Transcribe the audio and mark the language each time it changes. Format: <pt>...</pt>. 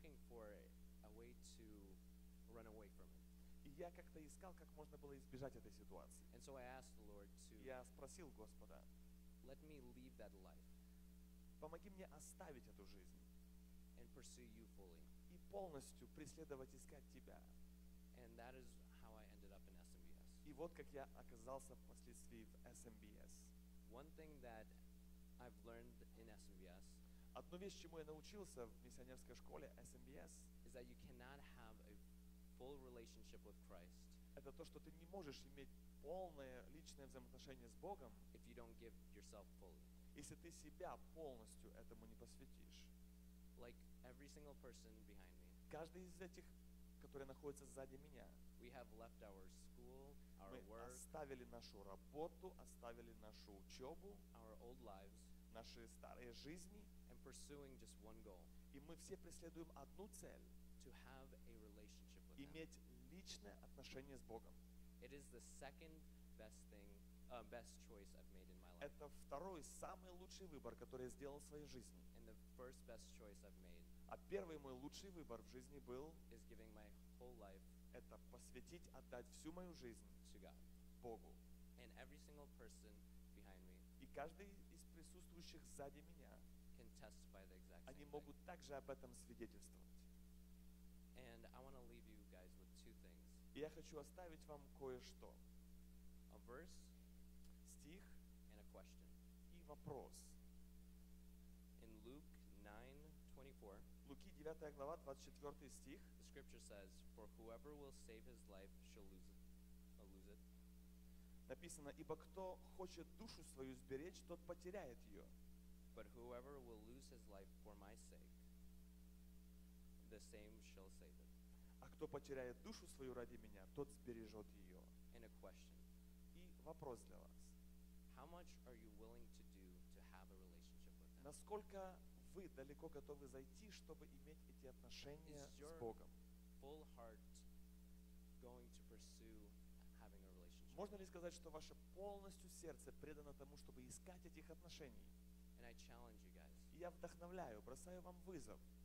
<ru>И я как-то искал, как можно было избежать этой ситуации. Я спросил Господа,</ru> <en>let me leave that life.</en> <ru>Помоги мне оставить эту жизнь</ru> <en>and pursue you fully.</en> <ru>И полностью преследовать, искать Тебя.</ru> <en>And that is how I ended up in SMBS.</en> <ru>И вот как я оказался впоследствии в SMBS.</ru> <en>One thing that I've learned in SMBS.</en> <ru>Одну вещь, чему я научился в миссионерской школе SMBS,</ru> <en>is that you cannot have a full relationship with Christ.</en> <ru>Это то, что ты не можешь иметь полное личное взаимоотношение с Богом,</ru> <en>if you don't give yourself fully.</en> <ru>Если ты себя полностью этому не посвятишь.</ru> <en>Like every single person behind me.</en> <ru>Каждый из этих, которые находятся сзади меня.</ru> <en>We have left our school, our work.</en> <ru>Мы оставили нашу работу, оставили нашу учебу,</ru> <en>our old lives,</en> <ru>наши старые жизни.</ru> <en>Pursuing just one goal.</en> <ru>И мы все преследуем одну цель.</ru> <en>To have a relationship with</en> <ru>иметь личное отношение с Богом.</ru> <en>It is the second best thing, best choice I've made in my life.</en> <ru>Это второй самый лучший выбор, который я сделал в своей жизни.</ru> <en>And the first best choice I've made.</en> <ru>А первый мой лучший выбор в жизни был.</ru> <en>Is giving my whole life.</en> <ru>Это посвятить, отдать всю мою жизнь.</ru> <en>To God.</en> <ru>Богу.</ru> <en>And every single person behind me.</en> <ru>И каждый из присутствующих сзади меня.</ru> <en>Can testify the exact same</en> <ru>они могут</ru> <en>thing.</en> <ru>Также об этом свидетельствовать.</ru> <en>And I want to leave you guys with two things.</en> <ru>И я хочу оставить вам кое-что.</ru> <en>A verse,</en> <ru>стих,</ru> <en>and a question.</en> <ru>И вопрос.</ru> <en>In Luke 9:24,</en> <ru>Луки 9 глава 24 стих.</ru> <en>The scripture says, "For whoever will save his life shall lose it."</en> <ru>Написано, ибо кто хочет душу свою сберечь, тот потеряет ее.</ru> <en>But whoever will lose his life for my sake, the same shall save it.</en> <ru>А кто потеряет душу свою ради меня, тот сбережет ее.</ru> <en>And a question.</en> <ru>И вопрос для вас.</ru> <en>How much are you willing to do to have a relationship with him?</en> <ru>Насколько вы далеко готовы зайти, чтобы иметь эти отношения с Богом?</ru> <en>Is your full heart going to pursue having a relationship?</en> <ru>Можно ли сказать, что ваше полностью сердце предано тому, чтобы искать этих отношений?</ru> <en>And I challenge you guys.</en> <ru>Я вдохновляю, бросаю вам вызов.</ru>